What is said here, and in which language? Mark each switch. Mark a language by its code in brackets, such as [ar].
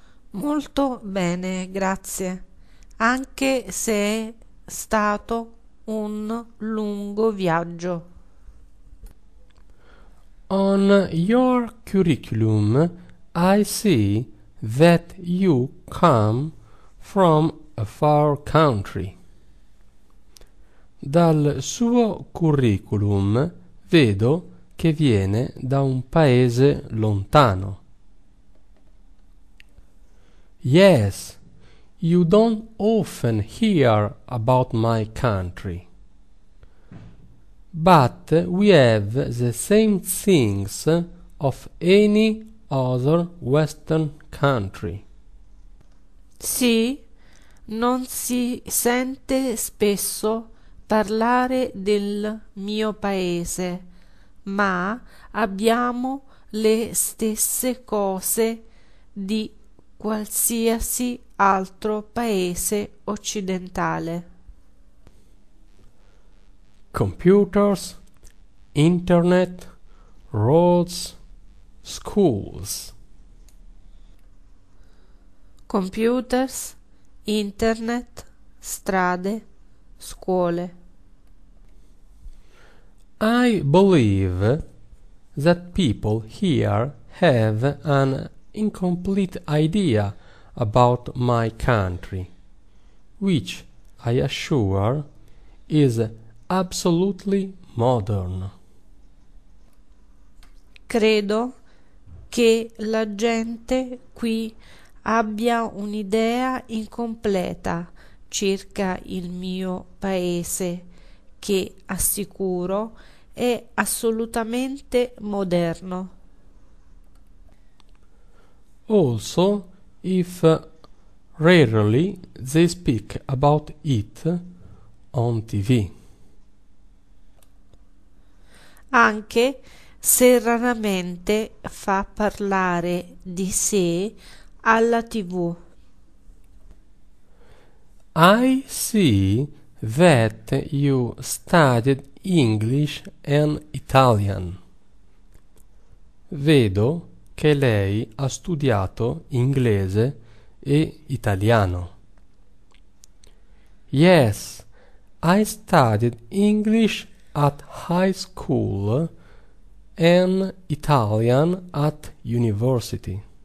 [it] Molto bene, grazie. Anche se è stato un lungo viaggio. [en] On your curriculum, I see that you come from a far country. [it] Dal suo curriculum vedo che viene da un paese lontano. [en] Yes, you don't often hear about my country. But we have the same things of any other Western country. [it] Sì, non si sente spesso parlare del mio paese, ma abbiamo le stesse cose di qualsiasi altro paese occidentale. [en] Computers, internet, roads, schools. [it] Computers, internet, strade, scuole. [en] I believe that people here have an incomplete idea about my country, which I assure is absolutely modern. [it] Credo che la gente qui abbia un'idea incompleta circa il mio paese, che assicuro è assolutamente moderno. [en] Also, if rarely they speak about it on TV. [it] Anche se raramente fa parlare di sé alla TV. [en] I see that you studied English and Italian. [it] Vedo che lei ha studiato inglese e italiano. [en] Yes, I studied English at high school and Italian at university.